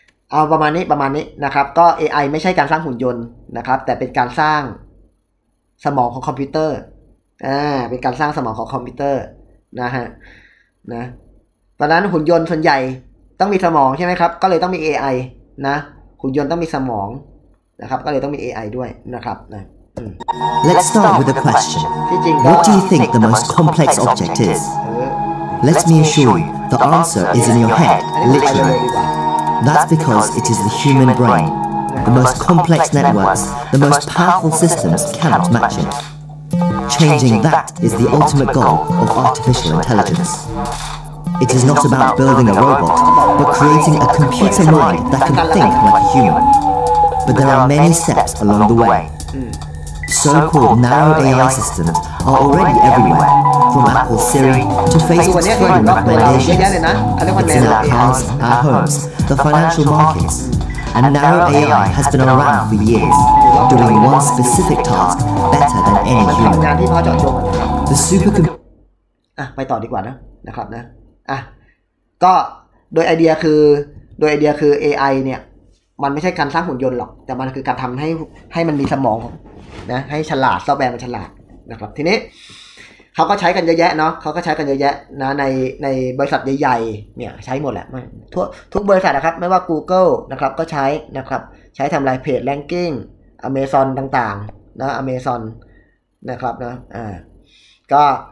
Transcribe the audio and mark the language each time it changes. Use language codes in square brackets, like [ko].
[th] เอาประมาณนี้ประมาณนี้นะครับก็ AI ไม่ใช่การสร้างหุ่นยนต์นะครับแต่เป็นการสร้างสมองของคอมพิวเตอร์เป็นการสร้างสมองของคอมพิวเตอร์นะฮะนะตอนนั้นหุ่นยนต์ส่วนใหญ่ต้องมีสมองใช่ไหมครับก็เลยต้องมี AI นะหุ่นยนต์ต้องมีสมองนะครับก็เลยต้องมี AI ด้วยนะครับนะ [en] Let's start with a question. What do you think the most complex object is? Let me assure you, the answer is in your head, literally. That's because it is the human brain. The most complex networks, the most powerful systems cannot match it. Changing that is the ultimate goal of artificial intelligence. It is not about building a robot, but creating a computer mind that can think like a human. But there are many steps along the way. So-called narrow AI systems are already everywhere, from Apple Siri to Facebook's friendly recommendations. It's in our cars, our homes, the financial markets. And narrow AI has been around for years, doing one specific task better than any human. The supercomputer... [th] ไปต่อดีกว่านะนะครับนะก็โดยไอเดียคือ AI เนี่ยมันไม่ใช่การสร้างหุ่นยนต์หรอกแต่มันคือการทำให้มันมีสมองนะให้ฉลาดซอฟต์แวร์มันฉลาดนะครับทีนี้เขาก็ใช้กันเยอะแยะเนาะเขาก็ใช้กันเยอะแยะนะในบริษัทใหญ่ๆเนี่ยใช้หมดแหละทุกบริษัทนะครับไม่ว่า Google นะครับก็ใช้นะครับใช้ทำลายเพจแรงกิ้ง Amazon ต่างๆนะ Amazon นะครับนะก็